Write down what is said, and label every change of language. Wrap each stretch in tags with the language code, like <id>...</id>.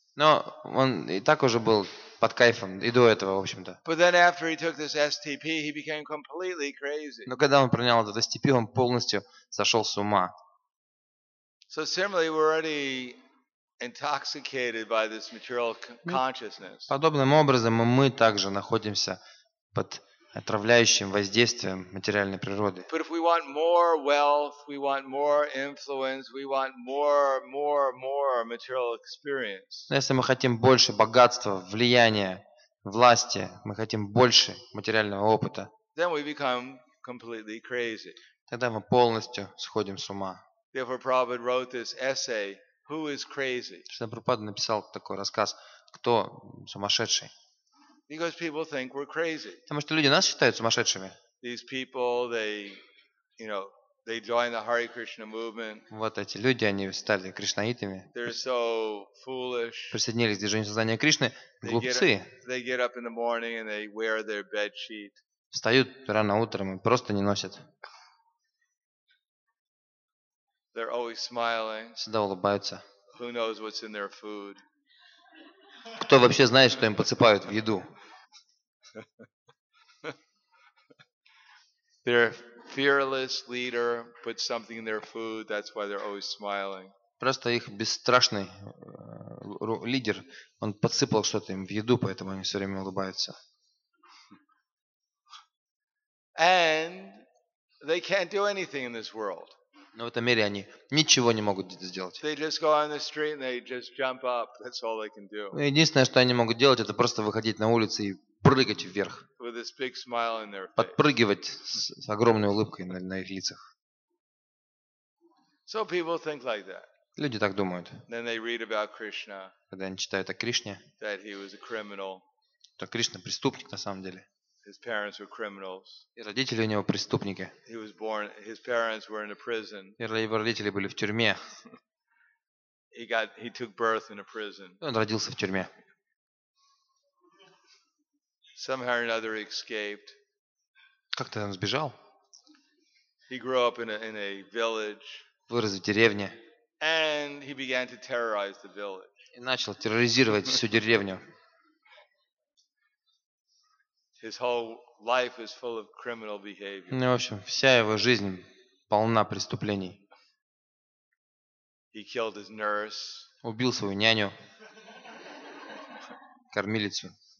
<ru>Но он и так уже был под кайфом и до этого, в общем-то.</ru> <en>But then after he took this STP, he became completely crazy.</en> <ru>Но когда он принял этот STP, он полностью сошел с ума.</ru> <en>So similarly, we're already intoxicated by this material consciousness.</en> <ru>Подобным образом мы также находимся под отравляющим воздействием материальной природы.</ru> <en>But if we want more wealth, we want more influence, we want more material experience.</en> <ru>Но если мы хотим больше богатства, влияния, власти, мы хотим больше материального опыта,</ru> <en>then we become completely crazy.</en> <ru>Тогда мы полностью сходим с ума.</ru> <en>Therefore, Prabhupada wrote this essay, "Who is crazy?"</en> <ru>Прабхупада написал такой рассказ, кто сумасшедший.</ru> <en>Because people think we're crazy.</en> <ru>Потому что люди нас считают сумасшедшими.</ru> <en>These people, they join the Hare Krishna movement.</en> <ru>Вот эти люди, они стали кришнаитами.</ru> <en>They're so foolish.</en> <ru>Присоединились к движению сознания Кришны. Глупцы.</ru> <en>They get up in the morning and they wear their bed sheet.</en> <ru>Встают рано утром и просто не носят.</ru> <en>They're always smiling.</en> <ru>Всегда улыбаются.</ru> <en>Who knows what's in their food?</en> <ru>Кто вообще знает, что им подсыпают в еду?</ru> <en>Their fearless leader puts something in their food, that's why they're always smiling.</en> <ru>Просто их бесстрашный лидер, он подсыпал что-то им в еду, поэтому они все время улыбаются.</ru> <en>And they can't do anything in this world.</en> <ru>Но в этом мире они ничего не могут сделать.</ru> <en>They just go on the street and they just jump up. That's all they can do.</en> <ru>Единственное, что они могут делать, это просто выходить на улицу и прыгать вверх.</ru> <en>With this big smile in their face.</en> <ru>Подпрыгивать с огромной улыбкой на их лицах.</ru> <en>So people think like that.</en> <ru>Люди так думают.</ru> <en>Then they read about Krishna.</en> <ru>Когда они читают о Кришне.</ru> <en>That he was a criminal.</en> <ru>То Кришна преступник на самом деле.</ru> <en>His parents were criminals.</en> <ru>И родители у него преступники.</ru> <en>He was born. His parents were in a prison.</en> <ru>И его родители были в тюрьме.</ru> <en>He took birth in a prison.</en> <ru>Он родился в тюрьме.</ru> <en>Somehow or another, he escaped.</en> <ru>Как-то он сбежал.</ru> <en>He grew up in a village.</en> <ru>Вырос в деревне.</ru> <en>And he began to terrorize the village.</en> <ru>И начал терроризировать всю деревню.</ru> <en>His whole life is full of criminal behavior.</en> <ru>Ну, в общем, вся его жизнь полна преступлений.</ru> <en>He killed his nurse.</en> <ru>Убил свою няню, кормилицу.</ru>